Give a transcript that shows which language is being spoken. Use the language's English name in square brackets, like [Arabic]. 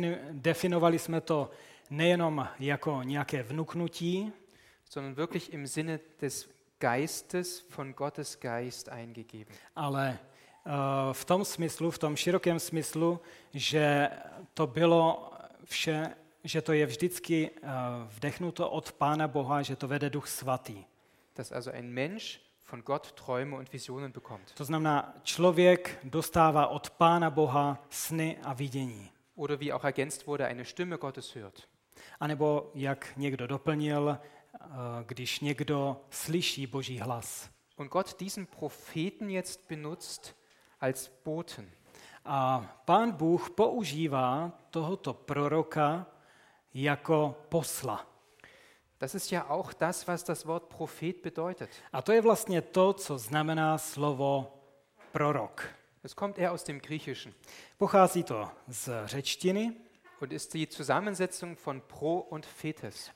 [Czech] Definovali jsme to nejenom jako nějaké vnuknutí, [German] sondern wirklich im Sinne des Geistes von Gottes Geist eingegeben. [Czech] Ale v tom smyslu, v tom širokém smyslu, že to bylo vše, že to je vždycky vdechnuto od Pána Boha, že to vede Duch Svatý. [German] Dass also ein Mensch von Gott Träume und Visionen bekommt. [Czech] To znamená, člověk dostává od Pána Boha sny a vidění. [German] Oder wie auch ergänzt wurde, eine Stimme Gottes hört. [Czech] A nebo jak někdo doplnil, když někdo slyší Boží hlas. [German] Und Gott diesen Propheten jetzt benutzt als Boten. [Czech] A Pán Bůh používá tohoto proroka jako posla. [German] Das ist ja auch das, was das Wort Prophet bedeutet. [Czech] A to je vlastně to, co znamená slovo prorok. [German] Es kommt eher aus dem Griechischen. [Czech] Pochází to z řečtiny. [German] Und ist die Zusammensetzung von pro und phetes.